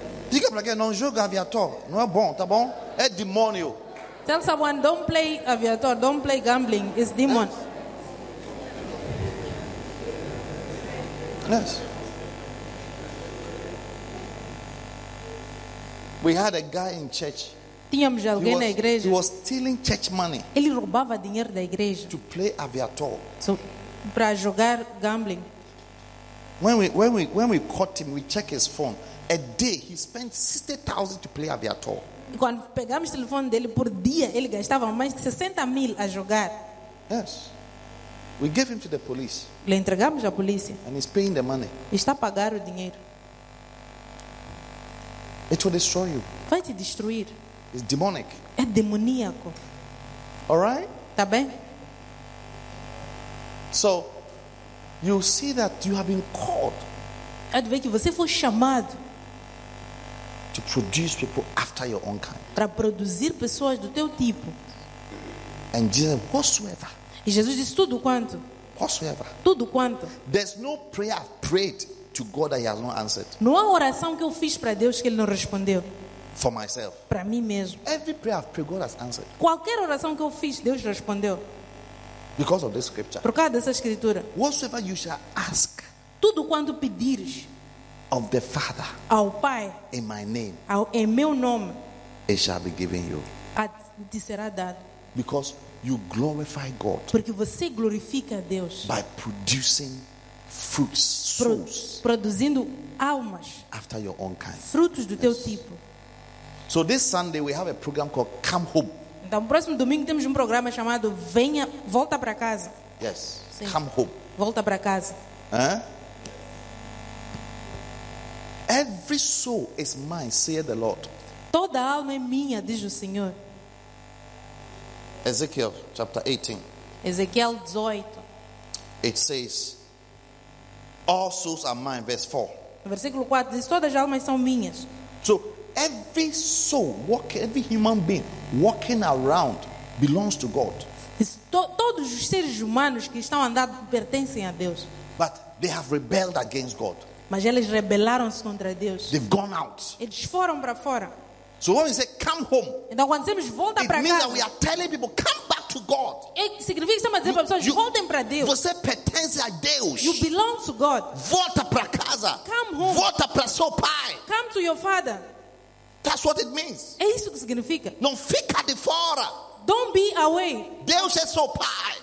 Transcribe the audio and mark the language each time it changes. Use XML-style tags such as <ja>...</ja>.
<pt>Diga para quem não joga aviator, não é bom, tá bom? É demônio.</pt> <en>Tell someone don't play aviator, don't play gambling, it's demon. Yes. We had a guy in church.</en> <pt>Tínhamos alguém na igreja.</pt> <en>He was stealing church money.</en> <pt>Ele roubava dinheiro da igreja.</pt> <en>To play aviator.</en> <pt>So, para jogar gambling.</pt> <en>When we caught him, we checked his phone. A day he spent 60,000 to play aviator.</en> <pt>Quando pegamos o telefone dele, por dia ele gastava mais de 60,000 a jogar.</pt> <en>Yes. We gave him to the police.</en> <pt>Le entregamos à polícia.</pt> <en>And he's paying the money.</en> <pt>Está a pagar o dinheiro.</pt> <en>It will destroy you.</en> <pt>Vai te destruir.</pt> <en>It's demonic.</en> <pt>É demoníaco.</pt> <en>All right?</en> <pt>Tá bem?</pt> <en>So, you see that you have been called.</en> <pt>É de ver que você foi chamado.</pt> <en>To to produce people after your own kind.</en> <pt>Para produzir pessoas do teu tipo.</pt> <en>And Jesus, whatsoever.</en> <pt>E Jesus disse tudo quanto.</pt> <en>Whatsoever.</en> <pt>Tudo quanto.</pt> <en>There's no prayer I've prayed to God that He has not answered.</en> <pt>Não há oração que eu fiz para Deus que Ele não respondeu.</pt> <en>For myself.</en> <pt>Para mim mesmo.</pt> <en>Every prayer I've prayed, God has answered.</en> <pt>Qualquer oração que eu fiz, Deus respondeu.</pt> <en>Because of this scripture.</en> <pt>Por causa dessa escritura.</pt> <en>Whatsoever you shall ask.</en> <pt>Tudo quanto pedires.</pt> <en>Of the Father.</en> <pt>Ao Pai.</pt> <en>In my name.</en> <pt>Ao, em meu nome.</pt> <en>It shall be given you.</en> <pt>Te será dado.</pt> <en>Because you glorify God.</en> <pt>Porque você glorifica a Deus.</pt> <en>By producing fruits. Souls,</en> <pt>produzindo almas.</pt> <en>After your own kind.</en> <pt>Frutos do yes. teu tipo.</pt> <en>So this Sunday we have a program called Come Home.</en> <pt>Então, próximo domingo temos programa chamado Venha, Volta para Casa.</pt> <en>Yes.</en> <pt>Sim.</pt> <en>Come Home.</en> <pt>Volta para casa. Huh?</pt> <en>Every soul is mine, saith the Lord.</en> <pt>Toda alma é minha, diz o Senhor.</pt> <en>Ezekiel chapter 18.</en> <pt>Ezequiel 18.</pt> <en>It says, all souls are mine, verse 4.</en> <pt>Versículo 4 diz, todas as almas são minhas.</pt> <en>So, every soul, every human being walking around belongs to God.</en> <pt>Todos os seres humanos que estão andando pertencem a Deus.</pt> <en>But they have rebelled against God.</en> <pt>Mas eles rebelaram-se contra Deus.</pt> <en>They've gone out.</en> <pt>Eles foram para fora.</pt> <en>So when we say come home,</en> <pt>então quando dizemos volta para casa,</pt> <en>it means that we are telling people come back to God.</en> <pt>Significa que estamos dizendo para pessoas voltem para Deus. Você pertence a Deus.</pt> <en>You belong to God.</en> <pt>Volta para casa.</pt> <en>Come home.</en> <pt>Volta para seu pai.</pt> <en>Come to your father. That's what it means.</en> <pt>É isso que significa. Não fica de fora.</pt> <en>Don't be away.</en> <pt>Deus é seu pai.</pt>